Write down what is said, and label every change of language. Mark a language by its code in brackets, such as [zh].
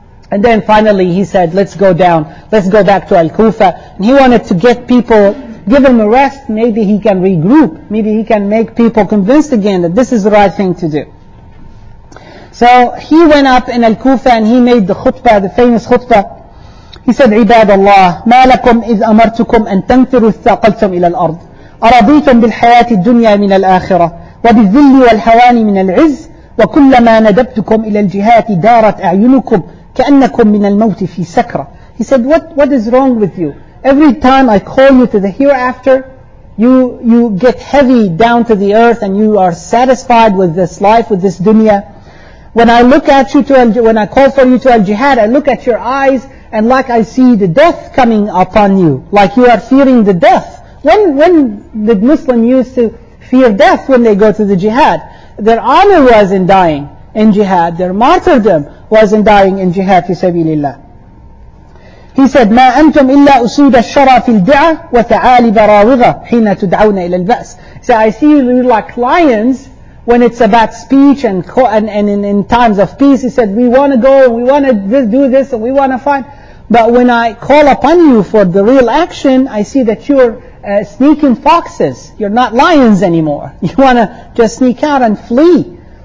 [en] And then finally he said, let's go down, let's go back to Al-Kufa. And he wanted to get people, give him a rest, maybe he can regroup. Maybe he can make people convinced again that this is the right thing to do. So he went up in Al-Kufa and he made the khutbah, the famous khutbah. He said, [ar] Ibadallah, مَا لَكُمْ إِذْ أَمَرْتُكُمْ أَن تَنْفِرُوا ثَقَلْتُمْ إِلَى الْأَرْضِ أَرَضِيتُمْ بِالْحَيَاةِ الدُّنْيَا مِنَ الْآخِرَةِ وَبِالذِّلِّ وَالْهَوَانِ مِنَ الْعِزِّ وَكُلَّمَا نَدَبْتُكُمْ إِلَى الْجِهَاتِ دَارَتْ أَعْيُنُكُمْ كَأَنَّكُمْ مِنَ الْمَوْتِ فِي سَكْرَةٍ. [en] He said, What is wrong with you? Every time I call you to the hereafter, you get heavy down to the earth and you are satisfied with this life, with this dunya. When I call for you to al-jihad, I look at your eyes and like I see the death coming upon you, like you are fearing the death. When did Muslim used to fear death when they go to the jihad? Their honor was in dying in jihad. Their martyrdom was in dying in jihad fi sabilillah. He said, [ar] مَا أَنْتُمْ إِلَّا أُسُودَ الشَّرَى فِي الْدِعَى وَتَعَالِ بَرَاوِغَ حِينَ تُدْعَوْنَ إِلَى الْبَأْسِ. [en] So I see you like lions when it's about speech and in times of peace. He said, we want to go, we want to do this, and we want to fight. But when I call upon you for the real action, I see that you're sneaking foxes. You're not lions anymore. You want to just sneak out and flee.